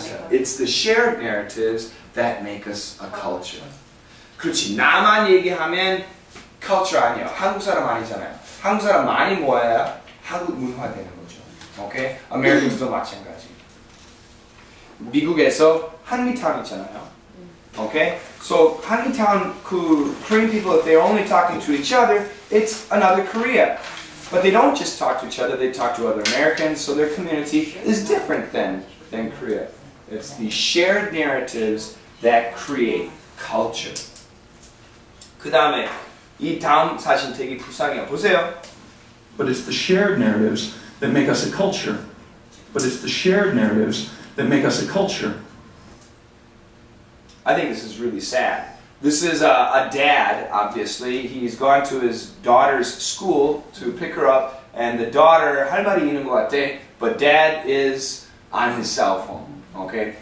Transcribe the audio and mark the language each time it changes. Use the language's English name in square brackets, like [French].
[English] It's the shared narratives that make us a culture. [Korean] 그렇지. 나만 얘기하면 culture 아니야. 한국 사람 아니잖아요. 한국 사람 많이 모아야 한국 문화 되는 거죠. Okay? Americans도 마찬가지. 미국에서 한미타운 있잖아요. [English] Okay? So, 한미타운, Korean people, if they're only talking to each other, it's another Korea. But they don't just talk to each other, they talk to other Americans, so their community is different than Korea. It's the shared narratives that create culture. [Korean] 그 다음에, 이 다음 사진 되게 불쌍해요. 보세요. [English] But it's the shared narratives that make us a culture. But it's the shared narratives that make us a culture. I think this is really sad. This is a dad, obviously. He's gone to his daughter's school to pick her up, and the daughter, [Korean] 할머니 있는 것 같아, [English] but dad is on his cell phone, okay?